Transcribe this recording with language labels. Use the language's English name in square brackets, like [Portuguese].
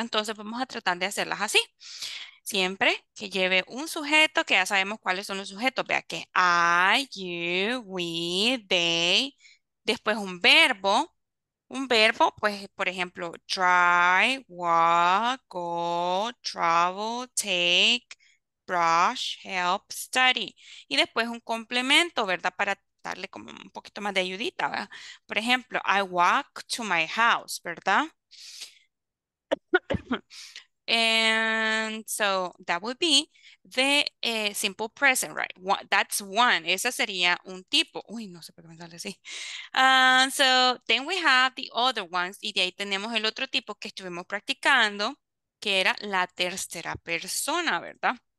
[Spanish] Entonces vamos a tratar de hacerlas así. Siempre que lleve un sujeto, que ya sabemos cuáles son los sujetos, vea que I, you, we, they, después un verbo, pues, por ejemplo, drive, walk, go, travel, take, brush, help, study. Y después un complemento, ¿verdad? Para darle como un poquito más de ayudita, ¿verdad? Por ejemplo, [English] I walk to my house, [Spanish] ¿verdad? [English] And so that would be the simple present, right? That's one. [Spanish] Esa sería un tipo. Uy, no sé por qué me sale así. [English] So then we have the other ones. [Spanish] Y de ahí tenemos el otro tipo que estuvimos practicando, que era la tercera persona, ¿verdad?